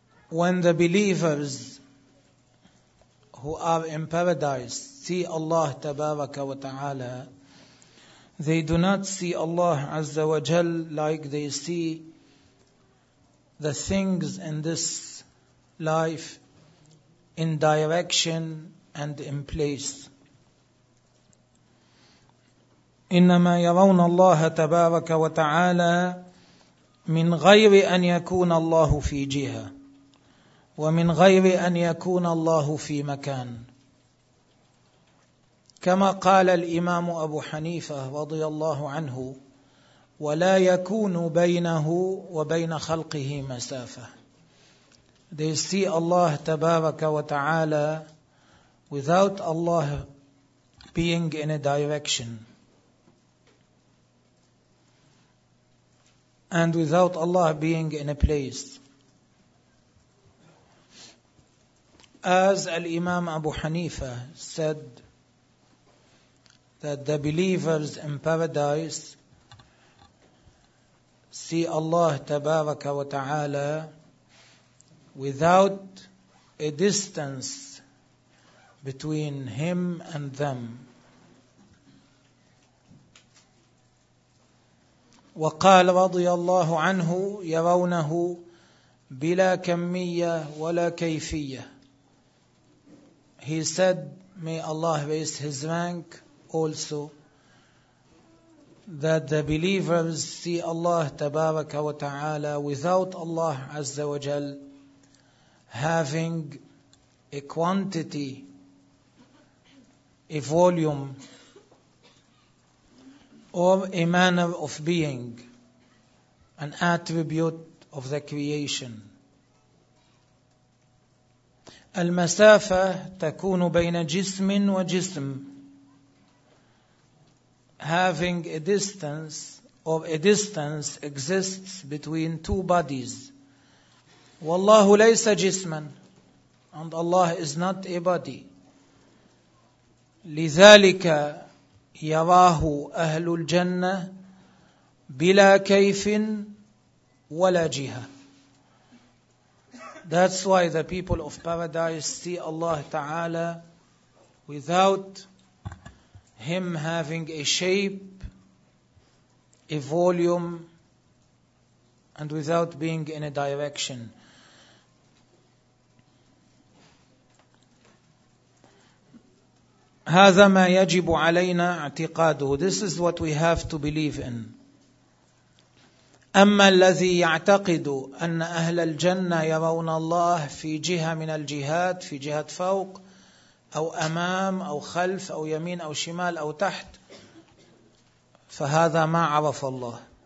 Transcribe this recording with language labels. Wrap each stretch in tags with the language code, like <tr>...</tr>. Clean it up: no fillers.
<en>When the believers who are in paradise see Allah</en> <ar>تبارك وتعالى,</ar> <en>they do not see Allah</en> <ar>عز وجل</ar> <en>like they see the things in this life in direction and in place.</en> <ar>إنما يرون الله تبارك وتعالى من غير أن يكون الله في جهة ومن غير أن يكون الله في مكان، كما قال الإمام أبو حنيفة رضي الله عنه ولا يكون بينه وبين خلقه مسافة.</ar> <en>They see Allah</en> <ar>تبارك وتعالى</ar> <en>without Allah being in a direction and without Allah being in a place. As Al-Imam Abu Hanifa said, that the believers in paradise see Allah</en> <ar>تبارك وتعالى</ar> <en>without a distance between him and them.</en> <ar>وقال رضي الله عنه يرونه بلا كمية ولا كيفية.</ar> <en>He said, may Allah raise his rank also, that the believers see Allah</en> <ar>تبارك وتعالى</ar> <en>without Allah</en> <ar>عز وجل</ar> <en>having a quantity, a volume, or a manner of being, an attribute of the creation.</en> <ar>المسافة تكون بين جسم وجسم.</ar> <en>having a distance of a distance exists between two bodies.</en> <ar>Wallahu laysa jisman,</ar> <en>and Allah is not a body.</en> <ar>لِذَلِكَ يَرَاهُ أَهْلُ الْجَنَّةِ بِلَا كَيْفٍ وَلَا جِهَةٍ.</ar> <en>That's why the people of paradise see Allah Ta'ala without Him having a shape, a volume, and without being in a direction.</en> <ar>هذا ما يجب علينا اعتقاده.</ar> <en>This is what we have to believe in.</en> <ar>أما الذي يعتقد أن أهل الجنة يرون الله في جهة من الجهات, في جهة فوق أو أمام أو خلف أو يمين أو شمال أو تحت, فهذا ما عرف الله.</ar>